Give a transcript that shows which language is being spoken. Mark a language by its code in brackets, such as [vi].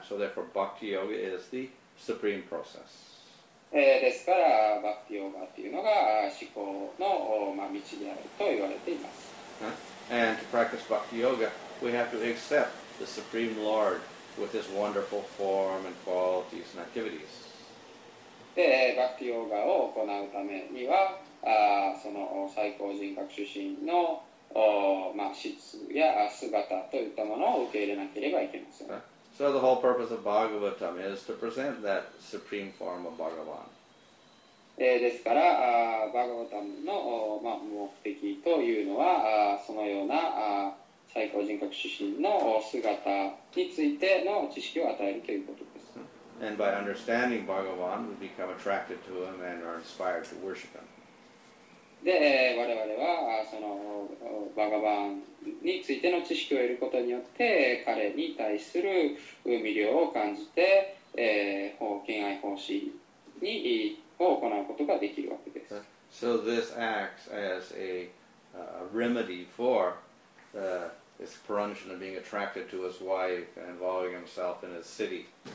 [en] So therefore, バクティヨガ is the supreme process. [ja] ですから、バクティヨガというのが思考の、まあ、道であると言われています。 [en] And to practice bhakti yoga, we have to accept the Supreme Lord with his wonderful form and qualities and activities. [ja] で、バクティヨガを行うためには、その最高人格主神の、まあ、質や姿といったものを受け入れなければいけません。 [en] So the whole purpose of Bhagavatam is to present that supreme form of Bhagavan. [ja] ですから、バガヴァタムの、まあ、目的というのは、そのような最高人格主神の姿についての知識を与えるということです。 [en] And by understanding Bhagavan, we become attracted to him and are inspired to worship him. [ja] で、我々はそのバガヴァンについての知識を得ることによって、彼に対する魅力を感じて、敬愛奉仕にを行うことができるわけです。 [en] So this acts as a remedy for this Puranjana being attracted to his wife and involving himself in his city.